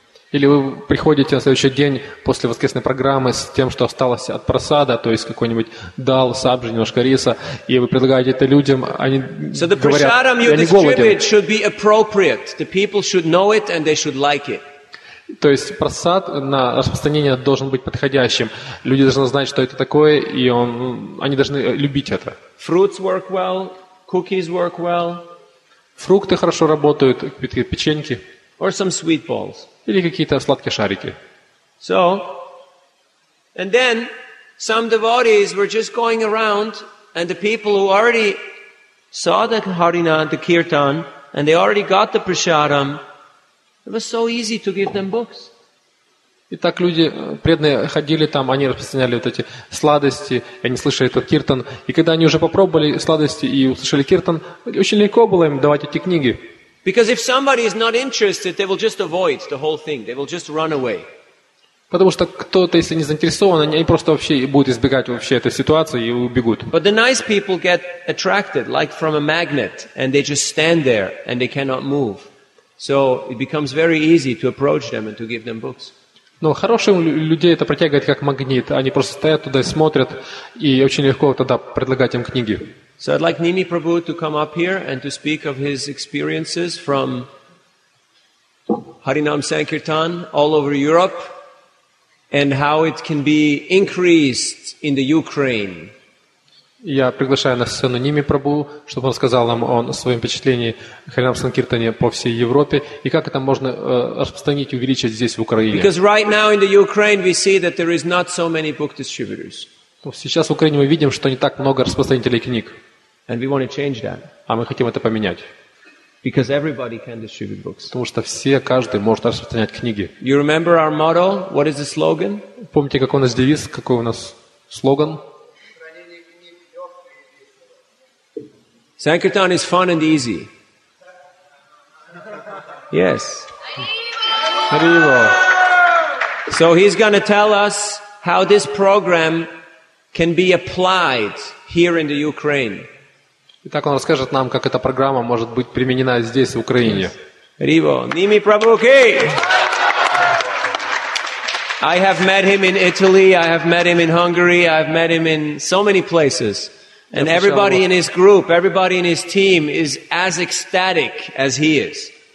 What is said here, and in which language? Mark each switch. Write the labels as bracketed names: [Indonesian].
[Russian] Или вы приходите на следующий день после воскресной программы с тем, что осталось от просада, то есть какой-нибудь дал, сабжи, немножко риса, и вы предлагаете это людям, они [English] so [Russian] говорят, что я не голоден. [English] It should be appropriate. The people should know it and they should like it. [Russian] То есть просад на распространение должен быть подходящим. Люди должны знать, что это такое, и он, они должны любить это. [English] Fruits work well, cookies work well. [Russian] Фрукты хорошо работают, печеньки. [English] Or some sweet balls. [Russian] Или какие-то сладкие шарики. [English] So, and then some devotees were just going around, and the people who already saw the Harina, the Kirtan, and they already got the prasadam, it was so easy to give them books. [Russian] Итак, люди преданные ходили там, они распространяли вот эти сладости, они слышали этот Киртан, и когда они уже попробовали сладости и услышали Киртан, очень легко было им давать эти книги. [English] Because if somebody is not interested, they will just avoid the whole thing. They will just run away. [Russian] Потому что кто-то, если не заинтересован, они просто вообще будут избегать вообще этой ситуации и убегут. [English] But the nice people get attracted, like from a magnet, and they just stand there and they cannot move. So it becomes very easy to approach them and to give them books. [Russian] Но хорошим людей это притягивает как магнит. Они просто стоят туда и смотрят, и очень легко тогда предлагать им книги. [English] So I'd like Nimi Prabhu to come up here and to speak of his experiences from Harinam Sankirtan all over Europe and how it can be increased in the Ukraine. [Russian] Я приглашаю на сцену Nimi Prabhu, чтобы он сказал нам о своем впечатлении Харинам Санкиртане по всей Европе и как это можно распространить и увеличить здесь, в Украине. [English] Because right now in the Ukraine we see that there is not so many book distributors. [Russian] Сейчас в Украине мы видим, что не так много распространителей книг. [English] And we want to change that. [Russian] А мы хотим это поменять. [English] Because everybody can distribute books. [Russian] Потому что все, каждый может распространять книги. [English] You remember our motto? What is the slogan? [Russian] Помните, какой у нас девиз, какой у нас слоган? [English] Sankirtan is fun and easy. Yes. Hariwo. So he's going to tell us how this program can be applied here in the Ukraine. [Russian] Итак, он расскажет нам, как эта программа может быть применена здесь, в Украине. Hariwo. Nimi Prabhu ki. [English] I have met him in Italy, I have met him in Hungary, I have met him in so many places. And everybody in his group, everybody in his team is as ecstatic as he is.